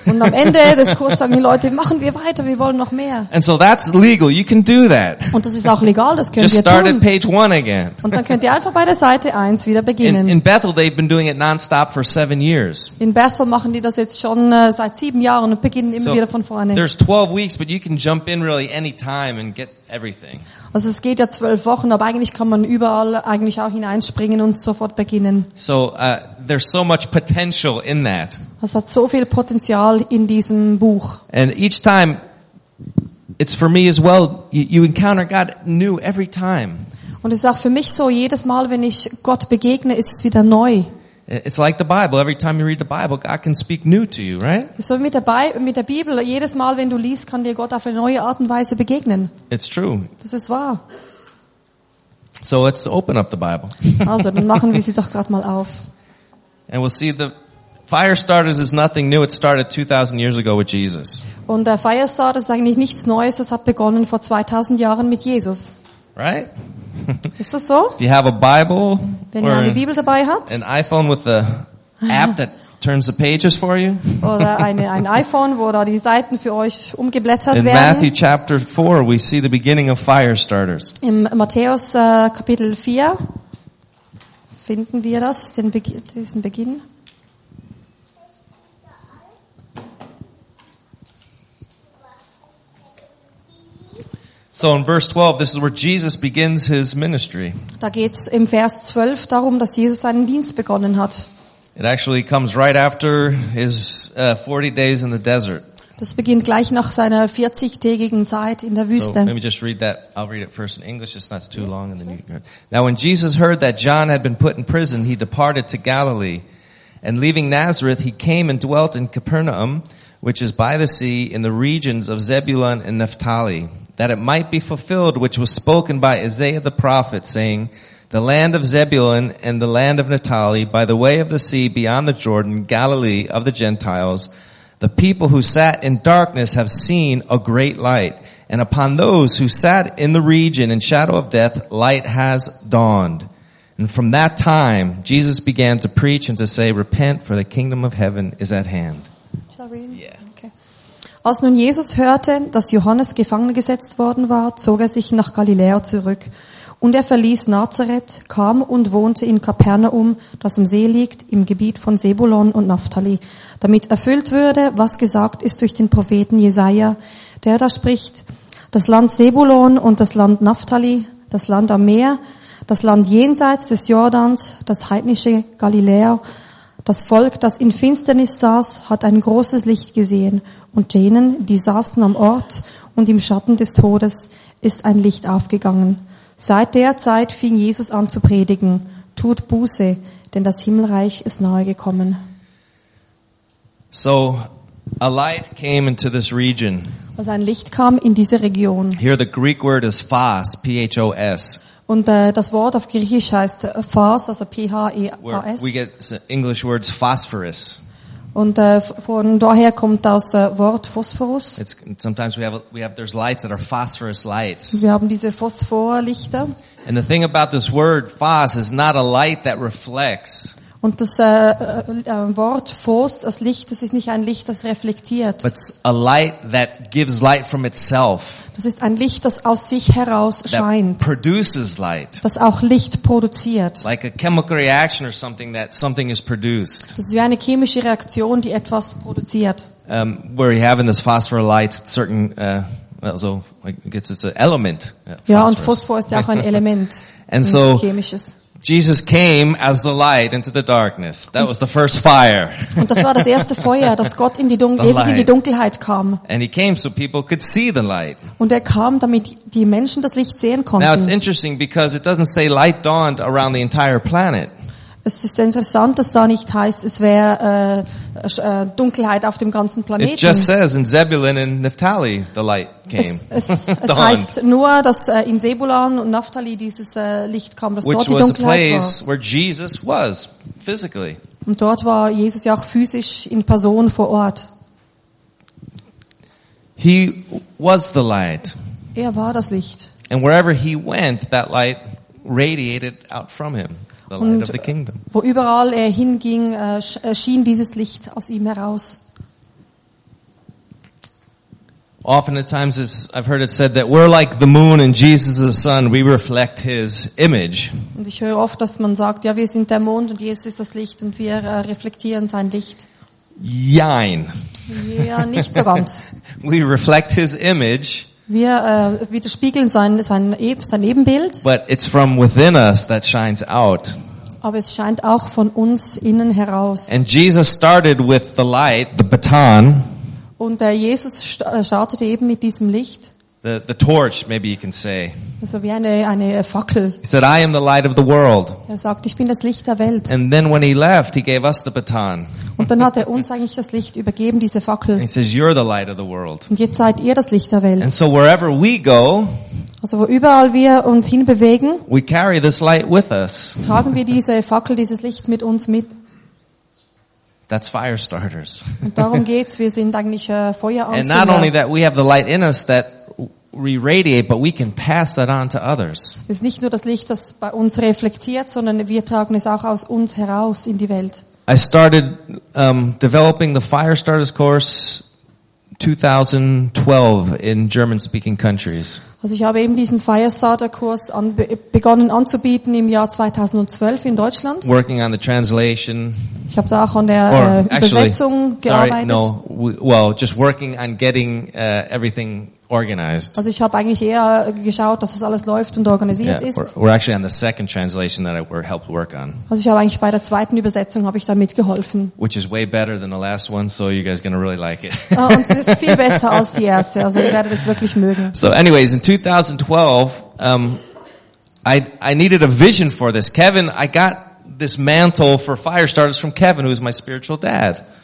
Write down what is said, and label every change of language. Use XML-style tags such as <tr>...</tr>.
<de>Und am Ende des Kurses sagen die Leute, machen wir weiter, wir wollen noch mehr.</de> <en>And so that's legal. You can do that.</en> <de>Und das ist auch legal, das können</de> <en>Just</en> <de>wir</de> <en>start</en> <de>tun.</de> <en>At page one again.</en> <de>Und dann könnt ihr einfach bei der Seite 1 wieder beginnen.</de> <en>In Bethel, they've been doing it non-stop for 7 years.</en> <de>In Bethel machen die das jetzt schon seit 7 Jahren und beginnen immer so wieder von vorne.</de> <en>There's 12 weeks, but you can jump in really any time and get everything.</en> <de>Also es geht ja 12 Wochen, aber eigentlich kann man überall eigentlich auch hineinspringen und sofort beginnen.</de> <en>So there's so much potential in that.</en> <de>Es hat so viel Potenzial in diesem Buch.</de> <en>And each time it's for me as well, you encounter God new every time.</en> <de>Und es ist auch für mich so, jedes Mal, wenn ich Gott begegne, ist es wieder neu.</de> <en>It's like the Bible. Every time you read the Bible, God can speak new to you, right?</en> <de>So mit der Bibel, jedes Mal, wenn du liest, kann dir Gott auf eine neue Art und Weise begegnen.</de> <en>It's true.</en> <de>Das ist wahr.</de> <en>So let's open up the Bible.</en> <de>Also, dann machen wir sie doch gerade mal auf.</de> <en>And we'll see the fire starters is nothing new. It started 2,000 years ago with Jesus.</en> <de>Und der fire starter ist eigentlich nichts Neues. Es hat begonnen vor 2,000 Jahren mit Jesus.</de> <en>Right?</en> <de>Ist das so?</de> <en>If you have a Bible,</en> <de>wenn ihr eine Bibel dabei habt,</de> <en>an iPhone with the app that turns the pages for you,</en> <de>oder ein iPhone, wo da die Seiten für euch umgeblättert</de> <en>in</en> <de>werden.</de> <en>In Matthew chapter 4 we see the beginning of fire starters.</en> <de>Im Matthäus Kapitel 4 finden wir das, diesen Beginn.</de> <en>So in verse 12, this is where Jesus begins his ministry.</en> <de>Da geht's im Vers 12 darum, dass Jesus seinen Dienst begonnen hat.</de> <en>It actually comes right after his 40 days in the desert.</en> <de>Das beginnt gleich nach seiner 40-tägigen Zeit in der Wüste.</de> <en>So let me just read that. I'll read it first in English. It's not too long in the New. Now when Jesus heard that John had been put in prison, he departed to Galilee, and leaving Nazareth, he came and dwelt in Capernaum, which is by the sea, in the regions of Zebulun and Naphtali. That it might be fulfilled, which was spoken by Isaiah the prophet, saying, "The land of Zebulun and the land of Naphtali, by the way of the sea beyond the Jordan, Galilee of the Gentiles, the people who sat in darkness have seen a great light. And upon those who sat in the region in shadow of death, light has dawned." And from that time, Jesus began to preach and to say, "Repent, for the kingdom of heaven is at hand." Shall we? Yeah.</en> <de>Als nun Jesus hörte, dass Johannes gefangen gesetzt worden war, zog er sich nach Galiläa zurück. Und er verließ Nazareth, kam und wohnte in Kapernaum, das am See liegt, im Gebiet von Zebulon und Naphtali, damit erfüllt würde, was gesagt ist durch den Propheten Jesaja, der da spricht, das Land Zebulon und das Land Naphtali, das Land am Meer, das Land jenseits des Jordans, das heidnische Galiläa, das Volk, das in Finsternis saß, hat ein großes Licht gesehen. Und denen, die saßen am Ort und im Schatten des Todes, ist ein Licht aufgegangen. Seit der Zeit fing Jesus an zu predigen. Tut Buße, denn das Himmelreich ist nahe gekommen.</de> <en>So, a light came into this region.</en> <de>Also ein Licht kam in diese Region.</de> <en>Here the Greek word is phos, P-H-O-S.</en> <de>Und das Wort auf Griechisch heißt phos, also P-H-E-A-S.</de> <en>We get English words phosphorus.</en> <de>Und von daher kommt das Wort Phosphorus.</de> <en>Sometimes we have there's lights that are phosphorus lights.</en> <de>Wir haben diese Phosphorlichter.</de> <en>And the thing about this word phos is not a light that reflects.</en> <de>Und das Wort Phos, das Licht, das ist nicht ein Licht, das reflektiert.</de> <en>But it's a light that gives light from itself.</en> <de>Das ist ein Licht, das aus sich heraus scheint.</de> <en>That produces light.</en> <de>Das auch Licht produziert.</de> <en>Like a chemical reaction or something that something is produced.</en> <de>Das ist wie eine chemische Reaktion, die etwas produziert.</de> <en>Where you have in this phosphor light certain also it's an element.</en> <de>Ja, und Phosphor ist ja auch ein Element.</de> <en>And so</en> <de>chemisches.</de> <en>Jesus came as the light into the darkness. That was the first fire.</en> <de>Und das war das erste Feuer, dass Gott in die Jesus in die Dunkelheit kam.</de> <en>And he came so people could see the light.</en> <de>Und er kam, damit die Menschen das Licht sehen konnten.</de> <en>Now it's interesting because it doesn't say light dawned around the entire planet.</en> <de>Es ist interessant, dass da nicht heißt, es wäre Dunkelheit auf dem ganzen Planeten.</de> <en>It just says in Zebulun and Naphtali the light came.</en> <de>Es heißt nur, dass in Zebulun und Naphtali dieses Licht kam, dass</de> <en>Which</en> <de>dort die Dunkelheit war.</de> <en>Which was the place where Jesus was physically.</en> <de>Und dort war Jesus ja auch physisch in Person vor Ort.</de> <en>He was the light.</en> <de>Er war das Licht.</de> <en>And wherever he went, that light radiated out from him. the light of the kingdom.</en> <de>Wo überall er hinging, schien dieses Licht aus ihm heraus.</de> <en>Often at times I've heard it said that we're like the moon and Jesus is the sun, we reflect his image.</en> <de>Und ich höre oft, dass man sagt, ja, wir sind der Mond und Jesus ist das Licht und wir reflektieren sein Licht. Jein. Ja, nicht so ganz.</de> <en>We reflect his image.</en> <de>Wir widerspiegeln sein Ebenbild.</de> <en>But it's from within us that shines out.</en> <de>Aber es scheint auch von uns innen heraus.</de> <en>And Jesus started with the light, the baton.</en> <de>Und Jesus startete eben mit diesem Licht.</de> <en>The torch, maybe you can say.</en> <de>Also wie eine Fackel.</de> <en>He said, I am the light of the world.</en> <de>Er sagt, ich bin das Licht der Welt.</de> <en>And then when he left, he gave us the baton.</en> <de>Und dann hat uns eigentlich das Licht übergeben, diese Fackel.</de> <en>And he says, you're the light of the world.</en> <de>Und jetzt seid ihr das Licht der Welt.</de> <en>And so wherever we go,</en> <de>also wo überall wir uns hinbewegen,</de> <en>we carry this light with us.</en> <de>Tragen wir diese Fackel, dieses Licht mit uns mit.</de> <en>That's fire starters.</en> <de>Und darum geht's, wir sind eigentlich Feueranzünder.</de> <en>And not only that, we have the light in us that we radiate, but we can pass that on to others.</en> <de>Es ist nicht nur das Licht, das bei uns reflektiert, sondern wir tragen es auch aus uns heraus in die Welt.</de> <en>I started developing the fire starters course 2012 in German speaking countries.</en> <de>Also ich habe eben diesen fire starter Kurs begonnen anzubieten im Jahr 2012 in Deutschland.</de> <en>Working on the translation.</en> <de>Ich habe da auch an der Übersetzung gearbeitet.</de> <en>Sorry, no. Well, just working on getting everything organized.</en> <de>Also ich habe eigentlich eher geschaut, dass das alles läuft und organisiert ist.</de> <en>We're actually on the second translation that I helped work on.</en> <de>Also ich habe eigentlich bei der zweiten Übersetzung habe ich da mitgeholfen.</de> <en>Which is way better than the last one, so you guys are gonna really like it.</en> <de>Und es ist viel besser als die erste, also ihr werdet es wirklich mögen.</de> <en>So anyways, in 2012, I needed a vision for this. Kevin, I got this mantle for fire starters from Kevin, who is my spiritual dad.</en>